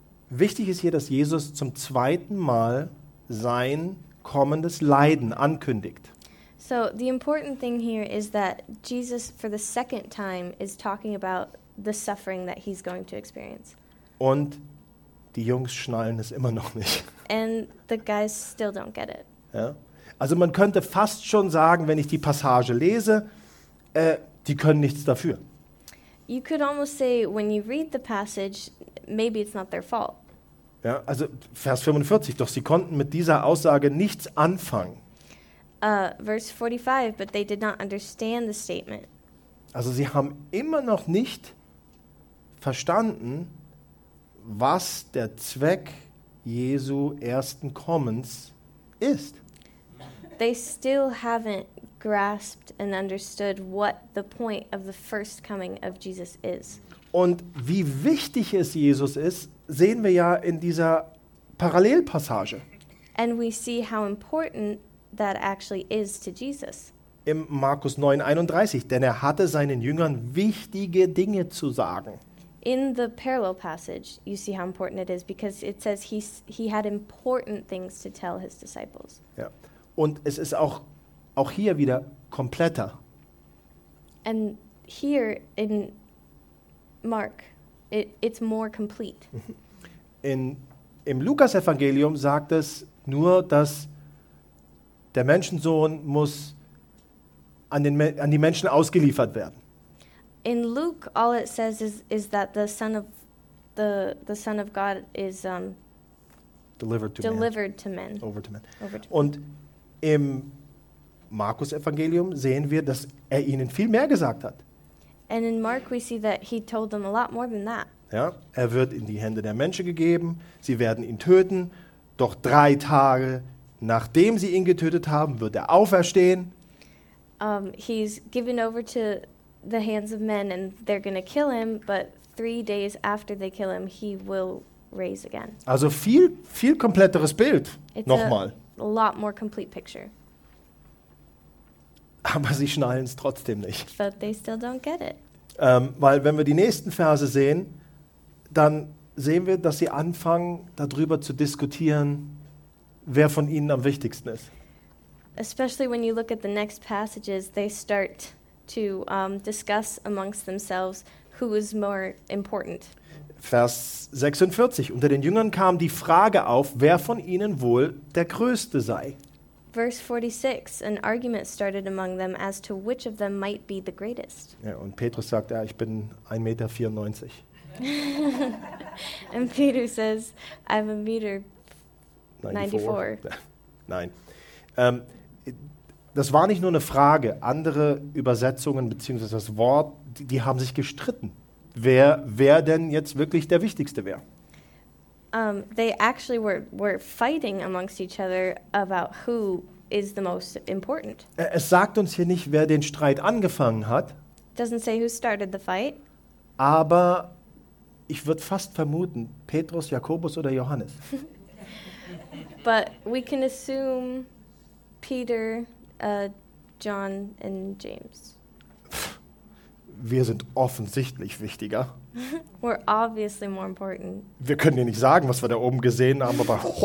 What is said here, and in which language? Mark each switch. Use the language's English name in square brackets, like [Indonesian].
[German] Wichtig ist hier, dass Jesus zum zweiten Mal sein kommendes Leiden ankündigt. [English] So, the important thing here is that Jesus, for the second time, is talking about the suffering that he's going to experience. [German] Und die Jungs schnallen es immer noch nicht. [English] And the guys still don't get it. [German] Ja? Also man könnte fast schon sagen, wenn ich die Passage lese, die können nichts dafür. [English] You could almost say, when you read the passage, maybe it's not their fault. [German] Ja, also Vers 45, doch sie konnten mit dieser Aussage nichts anfangen. [English] Verse 45, but they did not understand the statement. [German] Also sie haben immer noch nicht verstanden, was der Zweck Jesu ersten Kommens ist. [English] They still haven't grasped and understood what the point of the first coming of Jesus is. [German] Und wie wichtig es Jesus ist, sehen wir ja in dieser Parallelpassage. [English] And we see how important that actually is to Jesus. [German] Im Markus 9:31, denn er hatte seinen Jüngern wichtige Dinge zu sagen. [English] In the parallel passage, you see how important it is because it says he had important things to tell his disciples. [German] Ja. Und es ist auch hier wieder kompletter. [English] And here in Mark, it's more complete. [German] Im Lukas-Evangelium sagt es nur, dass der Menschensohn muss an die Menschen ausgeliefert werden. [English] In Luke, all it says is that the Son of God is delivered to men. Over to men. [German] Und im Markus-Evangelium sehen wir, dass er ihnen viel mehr gesagt hat. [English] And in Mark we see that he told them a lot more than that. [German] Ja, er wird in die Hände der Menschen gegeben, sie werden ihn töten, doch drei Tage nachdem sie ihn getötet haben, wird er auferstehen. [English] He's given over to the hands of men and they're going to kill him, but 3 days after they kill him, he will raise again. [German] Also viel, viel kompletteres Bild. [English] It's [German] nochmal. [English] A lot more complete picture. [German] Aber sie schnallen es trotzdem nicht. [English] But they still don't get it. [German] Weil wenn wir die nächsten Verse sehen, dann sehen wir, dass sie anfangen, darüber zu diskutieren, wer von ihnen am wichtigsten ist. [English] Especially when you look at the next passages, they start to discuss amongst themselves who is more important. [German] Vers 46. Unter den Jüngern kam die Frage auf, wer von ihnen wohl der Größte sei. [English] Verse 46. An argument started among them as to which of them might be the greatest. [German] Ja, und Petrus sagt, ja, ich bin 1,94 Meter. [English] And Peter says, I'm 1,94 Meter. [German] Nein. Das war nicht nur eine Frage. Andere Übersetzungen bzw. das Wort, die haben sich gestritten. Wer denn jetzt wirklich der Wichtigste wäre? [English] They actually were fighting amongst each other about who is the most important. [German] Es sagt uns hier nicht, wer den Streit angefangen hat. [English] Doesn't say who started the fight. [German] Aber ich würde fast vermuten, Petrus, Jakobus oder Johannes. [English] But we can assume Peter, John and James. [German] Wir sind offensichtlich wichtiger. [English] We're obviously more important. [German] Wir können dir nicht sagen, was wir da oben gesehen haben, aber